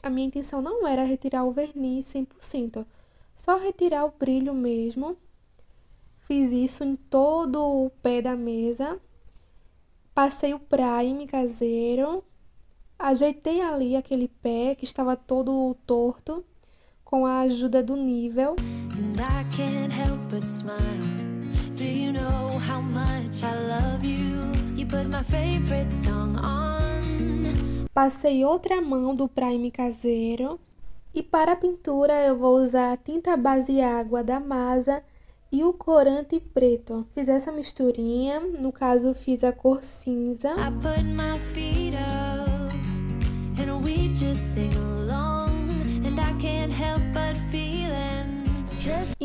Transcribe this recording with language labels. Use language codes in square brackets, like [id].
[pt] A minha intenção não era retirar o verniz 100%. Só retirar o brilho mesmo. Fiz isso em todo o pé da mesa. Passei o prime caseiro. Ajeitei ali aquele pé que estava todo torto com a ajuda do nível. [en] And I can't help but smile. Do you know how much I love you? You put my favorite song on. [pt] Passei outra mão do prime caseiro. E para a pintura eu vou usar a tinta base água da Maza e o corante preto. Fiz essa misturinha, no caso fiz a cor cinza. [en] I put my feet up and we just sing along and I can't help but feeling just...